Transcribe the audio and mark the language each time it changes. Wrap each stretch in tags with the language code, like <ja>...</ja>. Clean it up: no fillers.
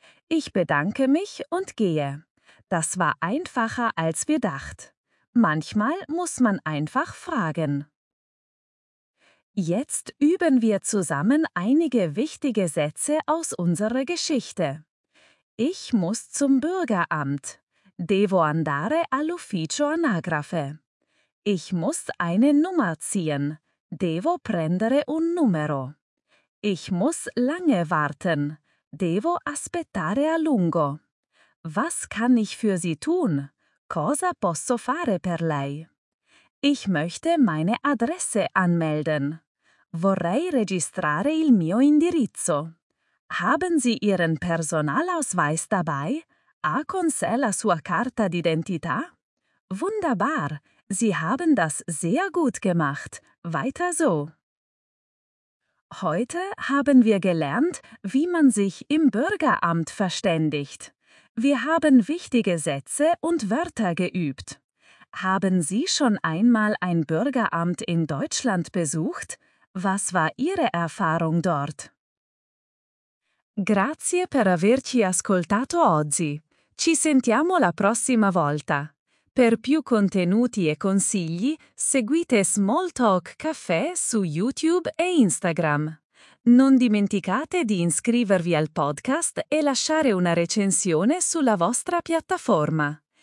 <de>Ich bedanke mich und gehe. Das war einfacher als gedacht. Manchmal muss man einfach fragen. Jetzt üben wir zusammen einige wichtige Sätze aus unserer Geschichte. Ich muss zum Bürgeramt.</de> <it>Devo andare all'ufficio anagrafe.</it> <de>Ich muss eine Nummer ziehen.</de> <it>Devo prendere un numero.</it> <de>Ich muss lange warten.</de> <it>Devo aspettare a lungo.</it> <de>Was kann ich für Sie tun?</de> <it>Cosa posso fare per lei?</it> <de>Ich möchte meine Adresse anmelden.</de> <it>Vorrei registrare il mio indirizzo.</it> <de>Haben Sie Ihren Personalausweis dabei?</de> <it>Ha con sé la sua carta d'identità?</it> <de>Wunderbar! Sie haben das sehr gut gemacht. Weiter so. Heute haben wir gelernt, wie man sich im Bürgeramt verständigt. Wir haben wichtige Sätze und Wörter geübt. Haben Sie schon einmal ein Bürgeramt in Deutschland besucht? Was war Ihre Erfahrung dort?</de> <it>Grazie per averci ascoltato oggi. Ci sentiamo la prossima volta. Per più contenuti e consigli, seguite Small Talk Caffè su YouTube e Instagram. Non dimenticate di iscrivervi al podcast e lasciare una recensione sulla vostra piattaforma.</it>